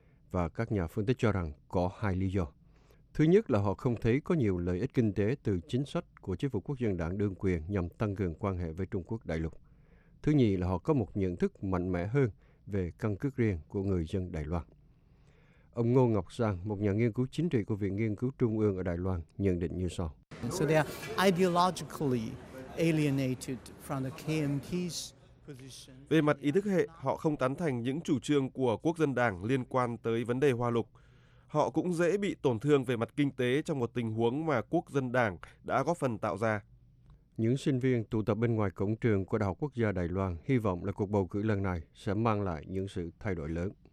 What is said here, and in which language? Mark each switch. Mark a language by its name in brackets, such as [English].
[Vietnamese] Và các nhà phân tích cho rằng có hai lý do. Thứ nhất là họ không thấy có nhiều lợi ích kinh tế từ chính sách của chính phủ quốc dân đảng đương quyền nhằm tăng cường quan hệ với Trung Quốc đại lục. Thứ nhì là họ có một nhận thức mạnh mẽ hơn về căn cước riêng của người dân Đài Loan. Ông Ngô Ngọc Giang, một nhà nghiên cứu chính trị của Viện Nghiên cứu Trung ương ở Đài Loan, nhận định như sau. [English] So they are ideologically alienated from the KMT's. [Vietnamese] Về mặt ý thức hệ, họ không tán thành những chủ trương của Quốc dân đảng liên quan tới vấn đề Hoa Lục. Họ cũng dễ bị tổn thương về mặt kinh tế trong một tình huống mà Quốc dân đảng đã góp phần tạo ra. Những sinh viên tụ tập bên ngoài cổng trường của Đại học Quốc gia Đài Loan hy vọng là cuộc bầu cử lần này sẽ mang lại những sự thay đổi lớn.